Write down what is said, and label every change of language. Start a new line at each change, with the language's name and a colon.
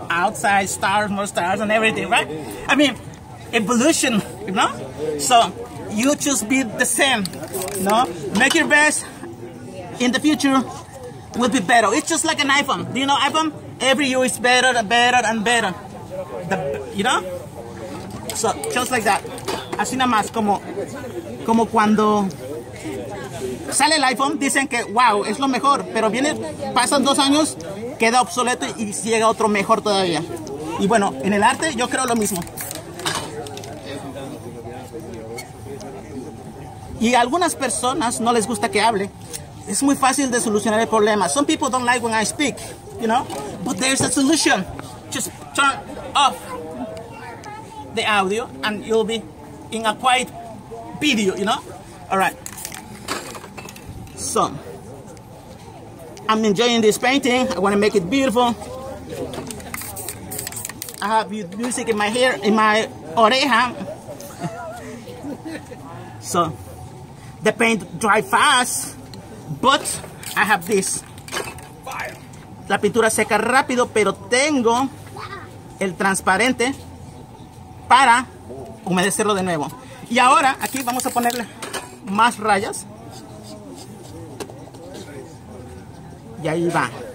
English: Outside, stars, more stars and everything, right? I mean, evolution, you know? So, you just be the same, you know? Make your best, in the future, will be better. It's just like an iPhone. Do you know iPhone? Every year is better and better and better. You know? So, just like that.
Spanish: Así nada más, como cuando sale el iPhone, dicen que, wow, es lo mejor. Pero viene, pasan dos años, queda obsoleto y llega otro mejor todavía. Y bueno, en el arte yo creo lo mismo. Y a algunas personas no les gusta que hable. Es muy fácil de solucionar el problema.
English: Some people don't like when I speak, you know. But there's a solution. Just turn off the audio and you'll be in a quiet video, you know. All right. So, I'm enjoying this painting. I want to make it beautiful. I have music in my hair, in my oreja. So, the paint dry fast, but I have this.
Spanish: La pintura seca rápido, pero tengo el transparente para humedecerlo de nuevo. Y ahora, aquí vamos a ponerle más rayas. Y ahí va.